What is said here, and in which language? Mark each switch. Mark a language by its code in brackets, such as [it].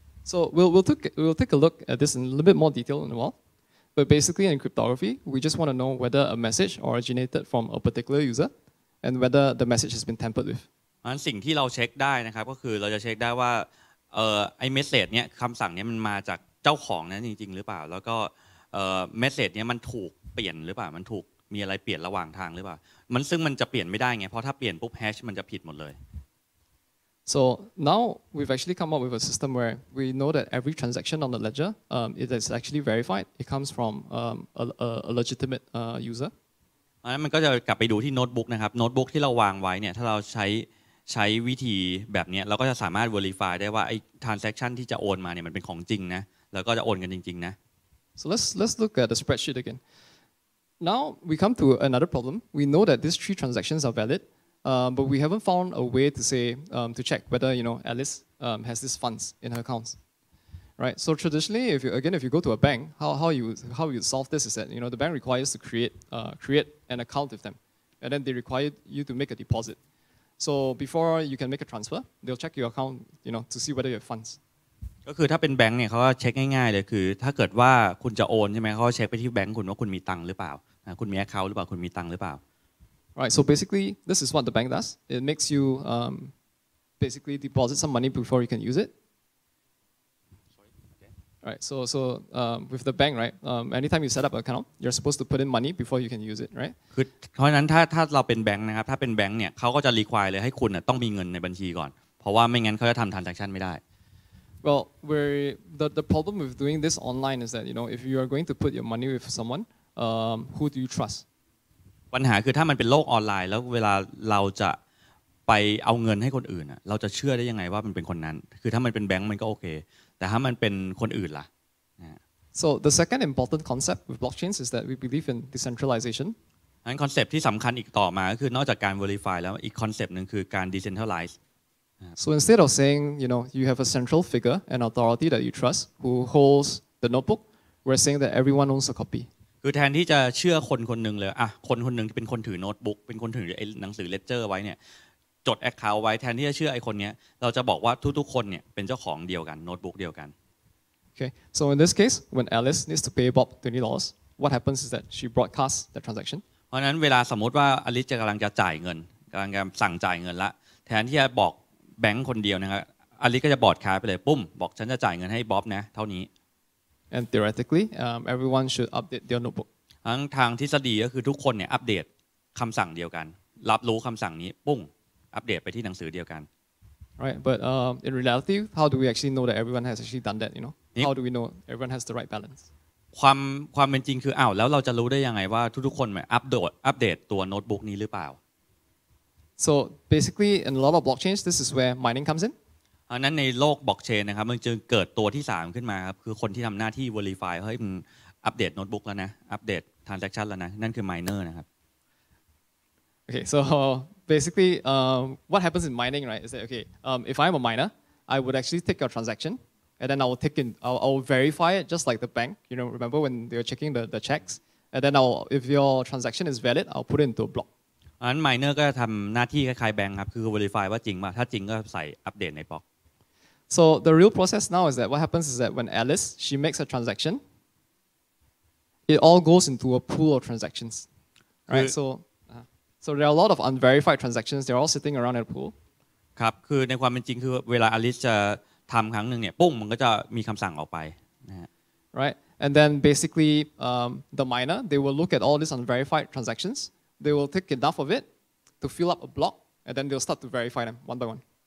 [en] So we'll take a look at this in a little bit more detail in a while. But basically in cryptography, we just want to know whether a message originated from a particular user and whether the message has been tampered with. [th] อันสิ่งที่เราเช็คได้นะครับก็คือเราจะเช็คได้ว่าไอ้เมสเสจเนี้ยคำสั่งเนี้ยมันมาจากเจ้าของนั้นจริงๆหรือเปล่าแล้วก็เมสเสจเนี้ยมันถูกเปลี่ยนหรือเปล่ามันถูกมีอะไรเปลี่ยนระหว่างทางหรือเปล่ามันซึ่งมันจะเปลี่ยนไม่ได้ไงเพราะถ้าเปลี่ยนปุ๊บแฮชมันจะผิดหมดเลย [en] So now we've actually come up with a system where we know that every transaction on the ledger it is actually verified it comes from a legitimate user [th] อันนั้นมันก็จะกลับไปดูที่โน้ตบุ๊กนะครับโน้ตบุ๊กที่เราวางไว้เนี่ยถ้าเราใช้วิธีแบบนี้เราก็จะสามารถ verify ได้ว่าไอ้ transaction ที่จะโอนมาเนี่ยมันเป็นของจริงนะแล้วก็จะโอนกันจริงๆนะ [en] So let's look at the spreadsheet again. Now we come to another problem. We know that these three transactions are valid, but we haven't found a way to say to check whether you know Alice has these funds in her accounts, right? So traditionally, if you go to a bank, how you solve this is that you know the bank requires to create an account with them, and then they require you to make a deposit. So before you can make a transfer, they'll check your account, you know, to see whether you have funds. [th] ก็คือถ้าเป็นแบงก์เนี่ยเขาก็เช็คง่ายๆเลยคือถ้าเกิดว่าคุณจะโอนใช่ไหมเขาเช็คไปที่แบงก์คุณว่าคุณมีตังค์หรือเปล่าคุณมีแอคเคาท์หรือเปล่าคุณมีตังค์หรือเปล่า [en] Right. So basically, this is what the bank does. It makes you basically deposit some money before you can use it. Sorry. Okay. Right. So with the bank, right? Anytime you set up an account, you're supposed to put in money before you can use it, right? [th] คือเพราะฉะนั้นถ้าเราเป็นแบงก์นะครับถ้าเป็นแบงก์เนี่ยเขาก็จะ require เลยให้คุณต้องมีเงินในบัญชีก่อนเพราะว่าไม่งั้นเขาจะทำ transaction ไม่ได้ [en] Well, the problem with doing this online is that you know if you are going to put your money with someone, who do you trust? [th] ปัญหาคือถ้ามันเป็นโลกออนไลน์แล้วเวลาเราจะไปเอาเงินให้คนอื่นอ่ะเราจะเชื่อได้ยังไงว่ามันเป็นคนนั้นคือถ้ามันเป็นแบงก์มันก็โอเคแต่ถ้ามันเป็นคนอื่นล่ะ [en] So the second important concept with blockchains is that we believe in decentralization. [th] อันคอนเซ็ปต์ที่สำคัญอีกต่อมาก็คือนอกจากการ verify แล้วอีกคอนเซ็ปต์นึงคือการ decentralize [en] So instead of saying, you know, you have a central figure, an authority that you trust, who holds the notebook, we're saying that everyone owns a copy. [th] คือแทนที่จะเชื่อคนคนหนึ่งเลยอ่ะคนคนหนึ่งที่เป็นคนถือโน้ตบุ๊กเป็นคนถือไอ้หนังสือเลดเจอร์ไว้เนี่ยจดแอคเคาท์ไว้แทนที่จะเชื่อไอ้คนเนี้ยเราจะบอกว่าทุกๆคนเนี่ยเป็นเจ้าของเดียวกันโน้ตบุ๊กเดียวกัน [en] Okay. So in this case, when Alice needs to pay Bob $20, what happens is that she broadcasts the transaction. [th] เพราะนั้นเวลาสมมติว่าอลิซจะกำลังจะจ่ายเงินกำลังจะสั่งจ่ายเงินละแทนที่จะบอกแบงค์คนเดียวนะครับอลิซก็จะบอร์ดคาร์ไปเลยปุ๊มบอกฉันจะจ่ายเงินให้บ๊อบนะเท่านี้ [en] and theoretically everyone should update their notebook [th] ทางทฤษฎีก็คือทุกคนเนี่ยอัปเดตคำสั่งเดียวกันรับรู้คำสั่งนี้ปุ๊งอัปเดตไปที่หนังสือเดียวกัน [en] right but in reality how do we actually know that everyone has actually done that you know how do we know everyone has the right balance [th] ความเป็นจริงคืออ้าวแล้วเราจะรู้ได้ยังไงว่าทุกๆคนเนี่ยอัปเดตตัวโน้ตบุ๊กนี้หรือเปล่า [en] So basically, in a lot of blockchains, this is where mining comes in. [th] นั้นในโลกบล็อกเชนนะครับมันจึงเกิดตัวที่3ขึ้นมาครับคือคนที่ทำหน้าที่ verify เฮ้ยมันอัปเดตโน้ตบุ๊กแล้วนะอัปเดต transaction แล้วนะนั่นคือ miner นะครับ [en] Okay, so basically, what happens in mining, right? Is that okay? If I'm a miner, I would actually take your transaction, and then I'll verify it just like the bank. You know, remember when they were checking the checks, and then if your transaction is valid, I'll put it into a block. [th] อันไมเนอร์ก็จะทำหน้าที่คล้ายๆแบงค์ครับคือ verify ว่าจริงป่ะถ้าจริงก็ใส่อัปเดตในบล็อก [en] So the real process now is that what happens is that when Alice she makes a transaction it all goes into a pool of transactions right so there are a lot of unverified transactions they're all sitting around in a pool [th] ครับคือในความเป็นจริงคือเวลา Alice จะทำครั้งนึงเนี่ยปุ้งมันก็จะมีคำสั่งออกไปนะฮะ [en] right and then basically the miner they will look at all these unverified transactionsThey will take enough of it to fill up a block, and then they'll start to verify them one by one.